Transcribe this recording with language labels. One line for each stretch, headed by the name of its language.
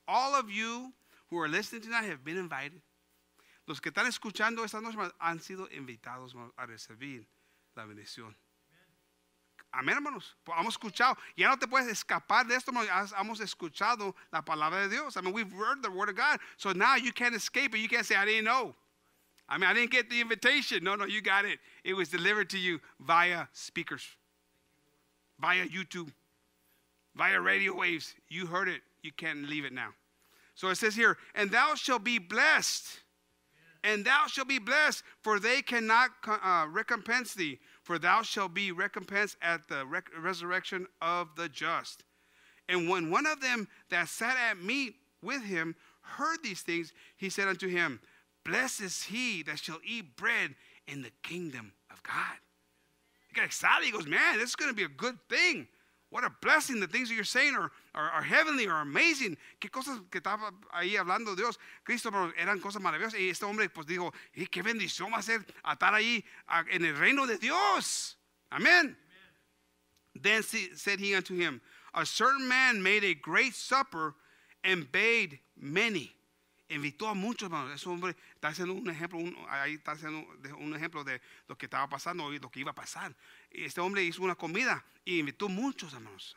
English: All of you who are listening tonight have been invited.
Spanish: Los que están escuchando esta noche, hermanos, han sido invitados, hermanos, a recibir la bendición. Amén, hermanos. Pues, hemos escuchado. Ya no te puedes escapar de esto, hermanos. Hemos escuchado la palabra de Dios.
English: I mean, we've heard the word of God. So now you can't escape it. You can't say, I didn't know. I mean, I didn't get the invitation. No, you got it. It was delivered to you via speakers, via YouTube, via radio waves. You heard it. You can't leave it now. So it says here, and thou shalt be blessed. And thou shalt be blessed, for they cannot recompense thee. For thou shalt be recompensed at the resurrection of the just. And when one of them that sat at meat with him heard these things, he said unto him, blessed is he that shall eat bread in the kingdom of God. He got excited. He goes, man, this is going to be a good thing. What a blessing. The things that you're saying are heavenly, are amazing.
Spanish: ¿Qué cosas que estaba ahí hablando Dios? Cristo, eran cosas maravillosas. Y este hombre, pues, dijo, qué bendición va a ser estar ahí en el reino de Dios. Amen. Amen.
English: Then said he unto him, a certain man made a great supper and bade many.
Spanish: Invitó a muchos, hermanos. Ese hombre está haciendo un ejemplo. Ahí está haciendo un ejemplo de lo que estaba pasando y lo que iba a pasar. Este hombre hizo una comida y invitó a muchos, hermanos.